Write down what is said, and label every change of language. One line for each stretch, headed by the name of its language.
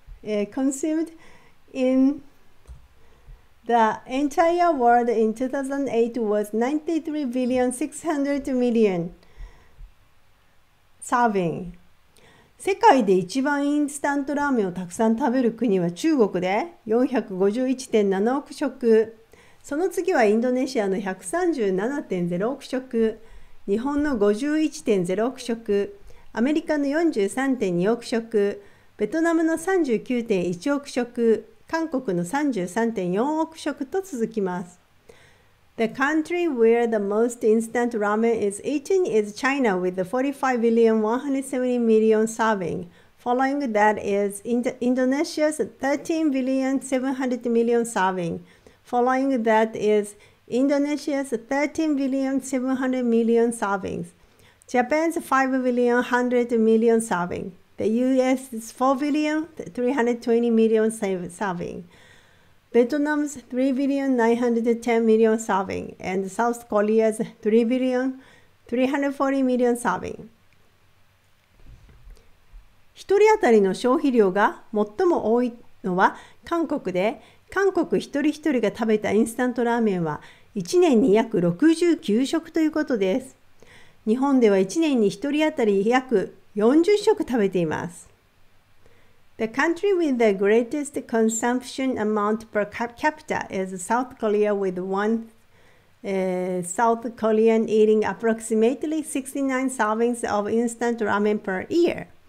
English: Consumed in the entire world in 2008 was 93 billion 600 million serving.
Japanese: 世界で一番インスタントラーメンをたくさん食べる国は中国で 451.7 億食。その次はインドネシアの 137.0 億食。日本の 51.0 億食。アメリカの 43.2 億食。ベトナムの 39.1 億食、韓国の 33.4 億食と続きます。
English: The country where the most instant ramen is eaten is China with 45 billion 170 million serving. Following that is Indonesia's 13 billion 700 million serving. Following that is Indonesia's 13 billion 700 million servings. Japan's 5 billion 100 million serving. The U.S. is 4 billion 320 million serving. Vietnam's 3 billion 910 million serving. And South Korea's 3 billion 340 million serving.
Japanese: 一人当たりの消費量が最も多いのは韓国で、韓国一人一人が食べたインスタントラーメンは1年に約69食ということです。日本では1年に一人当たり約40食食べています。
English: The country with the greatest consumption amount per capita is South Korea with South Korean eating approximately 69 servings of instant ramen per year.